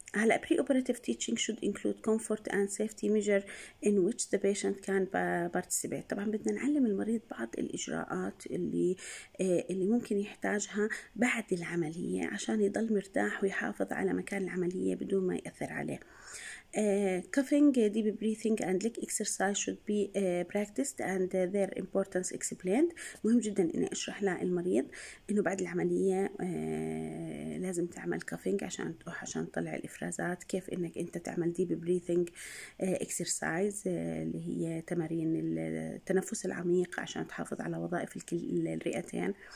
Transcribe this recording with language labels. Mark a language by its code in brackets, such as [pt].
[en] هلا pre-operative teaching should include comfort and safety measure in which the patient can participate. [ar] طبعا بدنا نعلم المريض بعض الإجراءات اللي ممكن يحتاجها بعد العملية عشان يضل مرتاح ويحافظ على مكان العملية بدون ما يأثر عليه. [en] Coughing, deep breathing and leg exercise should be practiced and their importance explained. [ar] مهم جدا اني اشرح للمريض انه بعد العملية لازم تعمل coughing عشان تروح عشان تطلع الافرازات، كيف انك انت تعمل deep breathing exercise اللي هي تمارين التنفس العميق عشان تحافظ على وظائف الرئتين.